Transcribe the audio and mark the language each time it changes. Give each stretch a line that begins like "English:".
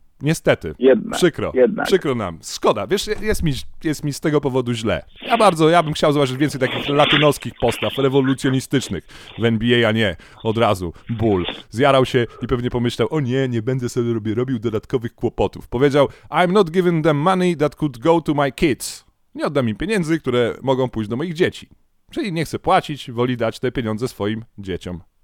Polish: Niestety. Przykro nam. Szkoda. Wiesz, jest mi z tego powodu źle. Ja bym chciał zobaczyć więcej takich latynoskich postaw, rewolucjonistycznych w NBA, a nie od razu. Ból. Zjarał się i pewnie pomyślał, o nie, nie będę sobie robił dodatkowych kłopotów. Powiedział,
English: I'm not giving them money that could go to my kids.
Polish: Nie oddam im pieniędzy, które mogą pójść do moich dzieci. Czyli nie chcę płacić, woli dać te pieniądze swoim dzieciom.